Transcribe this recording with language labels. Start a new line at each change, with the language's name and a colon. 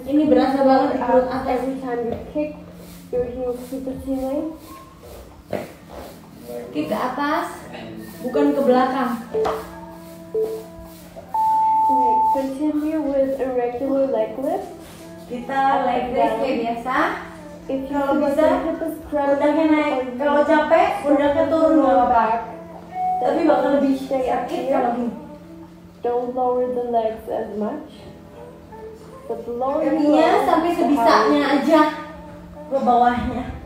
Indonesian: Ini berasa banget di perut atas
English: every time you kick. Your heels to the ceiling.
Indonesian: kick ke atas, bukan ke belakang.
English: Continue with a regular leg lift.
Indonesian: Kita leg lift kayak biasa. Kalau bisa, pundaknya naik. Kalau capek, pundaknya turun nggak apa-apa. Tapi bakal lebih sakit kalau gini.
English: Don't lower the legs as much. But lower the legs
Indonesian: sampai sebisanya aja ke bawahnya.